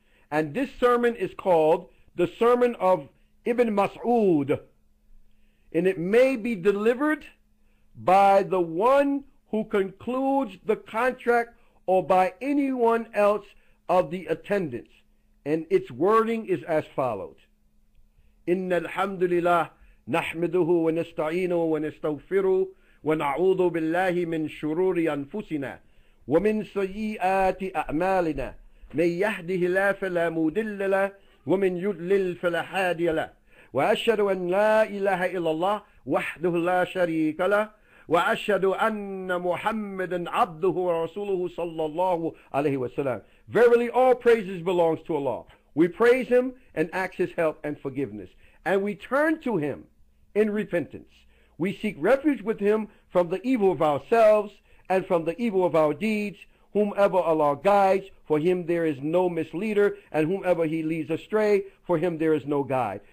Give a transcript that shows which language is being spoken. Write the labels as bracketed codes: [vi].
[en] And this sermon is called the Sermon of Ibn Mas'ud. And it may be delivered by the one who concludes the contract or by anyone else of the attendants. And its wording is as follows. [ar] إن الحمد لله نحمده ونستعينه ونستغفره ونعوذ بالله من شرور أنفسنا ومن سيئات أعمالنا من يهده الله فلا مضل له ومن يضلل فلا هادي له وأشهد أن لا إله إلا الله وحده لا شريك له وأشهد أن محمدا عبده ورسوله صلى الله عليه وسلم. [en] Verily all praises belongs to Allah. We praise Him and ask His help and forgiveness. And we turn to Him in repentance. We seek refuge with Him from the evil of ourselves and from the evil of our deeds. Whomever Allah guides, for him there is no misleader, and whomever he leads astray, for him there is no guide.